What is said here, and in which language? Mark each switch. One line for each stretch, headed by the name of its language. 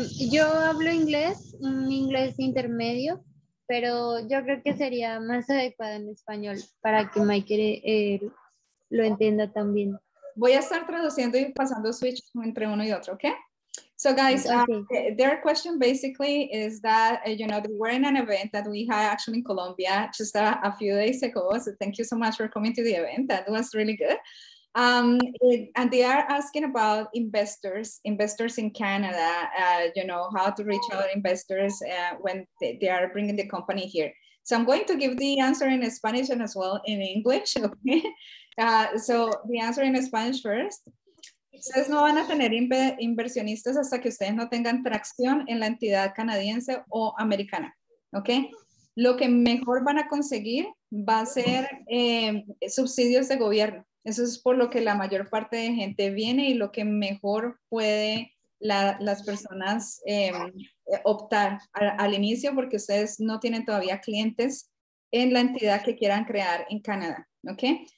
Spanish: Yo hablo inglés, un inglés intermedio, pero yo creo que sería más adecuado en español para que Michael lo entienda también. Voy a estar traduciendo y pasando switch entre uno y otro, ¿ok?
English: So guys, their question basically is that, you know, we're in an event that we had actually in Colombia just a few days ago. So thank you so much for coming to the event. That was really good. And they are asking about investors in Canada, you know, how to reach out investors when they are bringing the company here. So I'm going to give the answer in Spanish and as well in English, okay? So the answer in Spanish first.
Spanish: Ustedes no van a tener inversionistas hasta que ustedes no tengan tracción en la entidad canadiense o americana, okay? Lo que mejor van a conseguir va a ser subsidios de gobierno. Eso es por lo que la mayor parte de gente viene y lo que mejor puede las personas optar al inicio, porque ustedes no tienen todavía clientes en la entidad que quieran crear en Canadá, ¿ok?